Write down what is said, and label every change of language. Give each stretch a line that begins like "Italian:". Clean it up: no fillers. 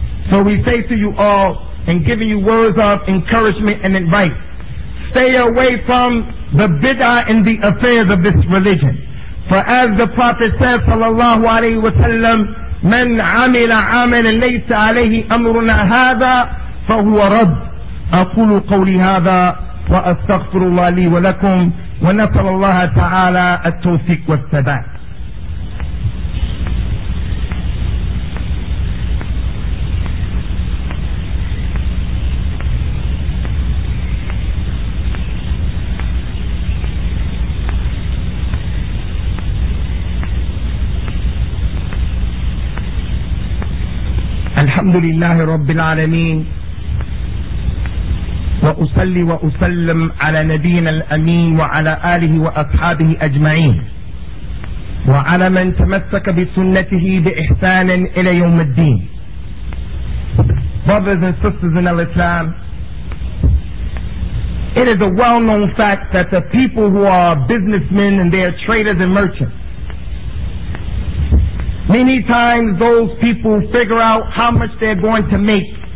English: So we say to you all, and giving you words of encouragement and advice, stay away from the bid'ah in the affairs of this religion. For as the Prophet says, sallallahu alayhi wa sallam,
Arabic: من عمل عمل ليس عليه أمرنا هذا فهو رد. أقول قولي هذا وأستغفر الله لي ولكم ونسأل الله تعالى التوفيق والثبات. الحمد لله رب العالمين وأصلي وأسلم على نبينا الأمين وعلى آله وأصحابه أجمعين وعلى من تمسك بسنته بإحسان إلى يوم الدين.
English: Brothers and sisters in Islam, it is a well-known fact that the people who are businessmen and they are traders and merchants, many times those people figure out how much they're going to make.